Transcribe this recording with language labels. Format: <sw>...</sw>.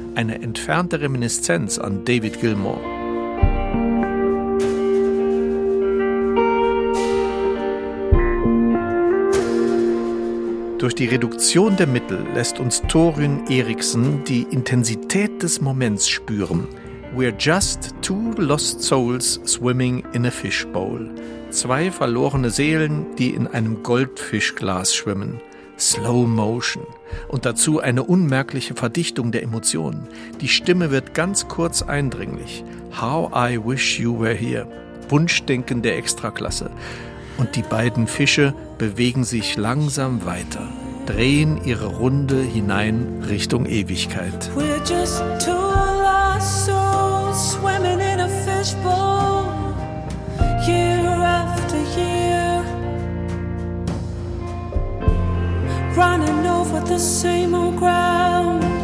<de>Eine entfernte Reminiszenz an David Gilmour. Durch die Reduktion der Mittel lässt uns Thorunn Eriksen die Intensität des Moments spüren.</de> <en>We're just two lost souls swimming in a fishbowl.</en> <de>Zwei verlorene Seelen, die in einem Goldfischglas schwimmen.</de> <en>Slow motion.</en> <de>Und dazu eine unmerkliche Verdichtung der Emotionen. Die Stimme wird ganz kurz eindringlich.</de> <en>How I wish you were here.</en> <de>Wunschdenken der Extraklasse. Und die beiden Fische bewegen sich langsam weiter, drehen ihre Runde hinein Richtung Ewigkeit.</de> <en>We're just two lost souls swimming in a fishbowl, year after year, running over the same old ground.</en>